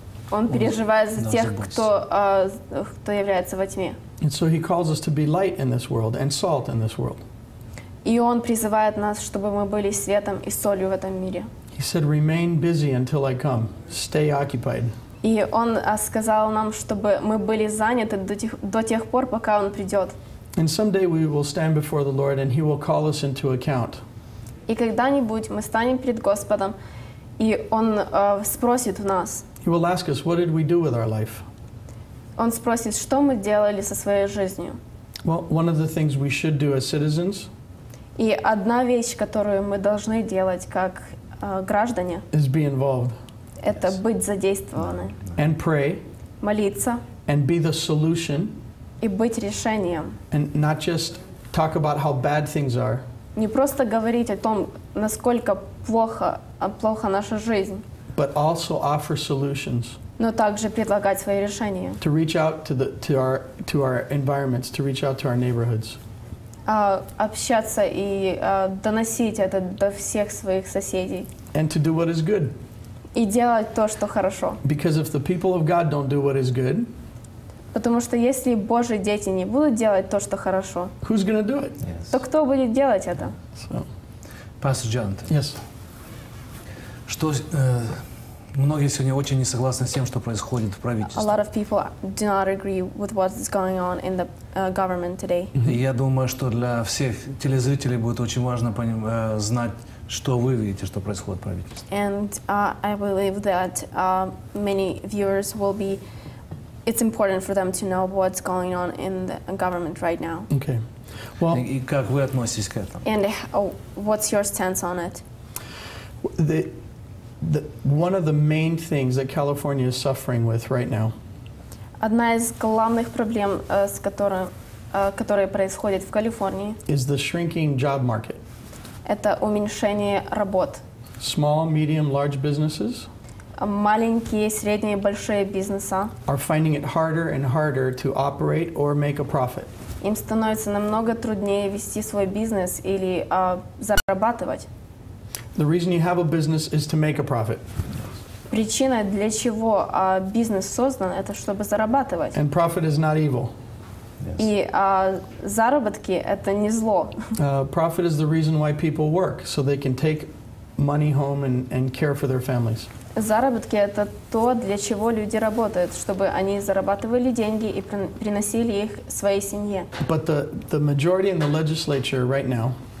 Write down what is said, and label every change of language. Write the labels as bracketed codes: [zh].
[ru] Он переживает за тех, кто является во тьме. [en] And so he calls us to be light in this world and salt in this world. [ru] И он призывает нас, чтобы мы были светом и солью в этом мире. [en] He said, "Remain busy until I come. Stay occupied." [ru] И он сказал нам, чтобы мы были заняты до тех пор, пока он придет. [en] And someday we will stand before the Lord, and He will call us into account. [ru] И когда-нибудь мы станем перед Господом, и он спросит у нас. [en] He will ask us, "What did we do with our life?" [ru] Он спросит, что мы делали со своей жизнью. [en] Well, one of the things we should do as citizens. [ru] И одна вещь, которую мы должны делать как граждане. [en] Is be involved. [ru] Это yes. Быть задействованы. [en] And pray. [ru] Молиться. [en] And be the solution. [ru] И быть решением. [en] And not just talk about how bad things are. [ru] Не просто говорить о том, насколько плохо наша жизнь. [en] But also offer solutions. [ru] Но также предлагать свои решения. [en] To reach out to our environments, to reach out to our neighborhoods. [ru] Общаться и доносить это до всех своих соседей. [en] And to do what is good. [ru] И делать то, что хорошо. [en] Because if the people of God don't do what is good, [ru] потому что если Божьи дети не будут делать то, что хорошо, [en] who's going to do it? Yes. [ru] То кто будет делать это? So. [en] Pastor Jonathan. Yes. [ru] Что многие сегодня очень не согласны с тем, что происходит в правительстве. [en] A lot of people do not agree with what's going on in the government today. [ru] Я думаю, что для всех телезрителей будет очень важно знать, что вы видите, что происходит в правительстве. [en] And I believe that many viewers will be it's important for them to know what's going on in the government right now. Okay. Well, [ru] и как вы относитесь к этому? [en] And what's your stance on it? The one of the main things that California is suffering with right now. [ru] Одна из главных проблем, с которой происходит в Калифорнии. [en] Is the shrinking job market. [ru] Это уменьшение работ. [en] Small, medium, large businesses. [ru] Маленькие, средние, большие бизнеса. [en] Are finding it harder and harder to operate or make a profit. [ru] Им становится намного труднее вести свой бизнес или зарабатывать. [en] The reason you have a business is to make a profit. [ru] Причина для чего бизнес создан, это чтобы зарабатывать. [en] And profit is not evil. [ru] И заработки это не зло. [en] Profit is the reason why people work, so they can take money home and care for their families. [ru] Заработки это то, для чего люди работают, чтобы они зарабатывали деньги и приносили их своей семье. [en] But the majority in the legislature right now.